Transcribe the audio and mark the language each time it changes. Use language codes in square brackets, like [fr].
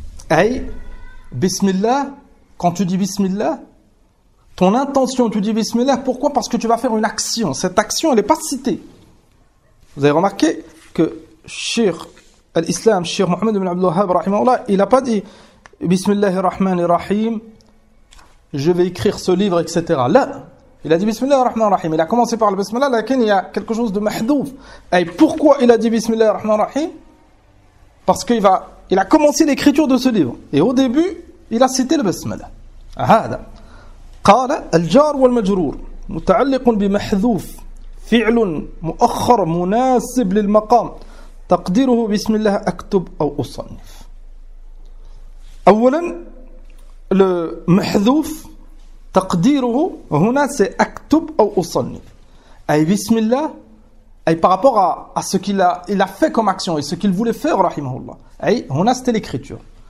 [fr] اي بسم الله quand tu dis بسم الله ton intention tu dis بسم الله pourquoi parce que tu vas faire une action cette action elle est pas citée vous avez remarqué que Cheikh al-Islam Cheikh Mohamed ibn Abdullah rahimahullah il a pas dit Bismillahirrahmanirrahim, je vais écrire ce livre, etc. Là, il a dit Bismillahirrahmanirrahim. Il a commencé par le Bismillah, lakin il y a quelque chose de mahdouf. Et pourquoi il a dit Bismillahirrahmanirrahim? Parce qu'il a commencé l'écriture de ce livre. Et au début, il a cité le Bismillah. Ahada. [ar] قال الجار والمجرور متعلق بمحذوف فعل مؤخر مناسب للمقام تقديره بسم الله أكتب أو أصنف. أولا المحذوف تقديره هنا [fr] c'est [ar] أكتب أو أصنف أي بسم الله أي [fr] par rapport à ce qu'il a fait comme action et ce qu'il voulait faire [ar] رحمه الله أي هنا [fr] c'était l'écriture.